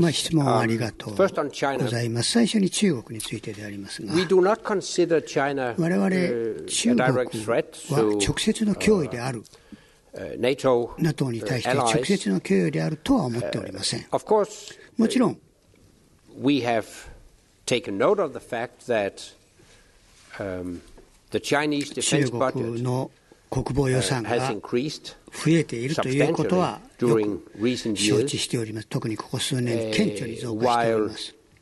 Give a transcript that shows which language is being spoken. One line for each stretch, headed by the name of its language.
Japanese: まあ質問ありがとうございます。最初に中国についてでありますが、
English: we do not consider China,
Japanese: 我々中国は直接の脅威である
English: NATO,
Japanese: NATO に対して直接の脅威であるとは思っておりません。
English: of course,
Japanese: もちろん
English: we have taken note of the fact that, the Chinese defense budget
Japanese: 中国の国防予算が増えているということはよく承知しております。特にここ数年顕著に増加しております。